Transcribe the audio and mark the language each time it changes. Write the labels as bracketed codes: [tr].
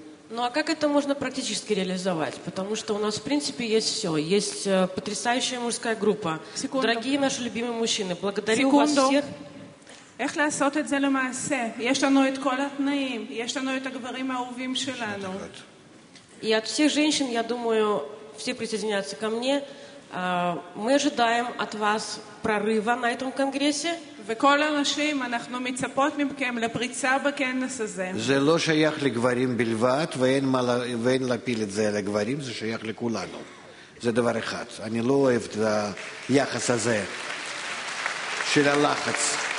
[ru] Ну а как это можно практически реализовать? Потому что у нас в принципе есть все. Есть потрясающая мужская группа. Секунду. Дорогие наши любимые мужчины, благодарю вас всех. [he] איך לעשות את זה למעשה? יש לנו את כל התנאים, יש לנו את הגברים האהובים שלנו. [ru] И от всех женщин, я думаю, все присоединятся ко мне. Мы ожидаем от вас прорыва на этом конгрессе. [he] וכל הנשים, אנחנו מצפות ממכם לפריצה בכנס הזה. זה לא שייך לגברים בלבד, ואין להפיל את זה לגברים, זה שייך לכולנו. זה דבר אחד. אני לא אוהב את היחס הזה של הלחץ.